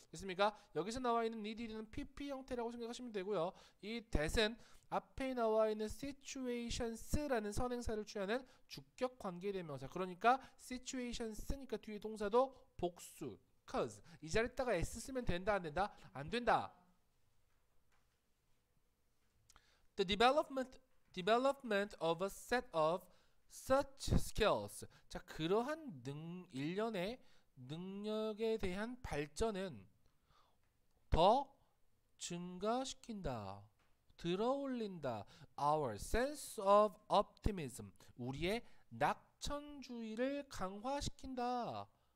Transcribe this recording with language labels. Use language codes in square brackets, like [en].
[ko] 됐습니까? 여기서 나와 있는 need는 PP 형태라고 생각하시면 되고요. 이 that은 앞에 나와 있는 situations라는 선행사를 취하는 주격 관계 대명사. 그러니까 situations니까 뒤에 동사도 복수 cause. 이 자리에다가 s 쓰면 된다 안 된다? 안 된다. [en] The development of a set of such skills. [ko] 자, 그러한 일련의 능력에 대한 발전은 더 증가시킨다, 들어올린다. [en] Our sense of optimism. [ko] 우리의 낙천주의를 강화시킨다.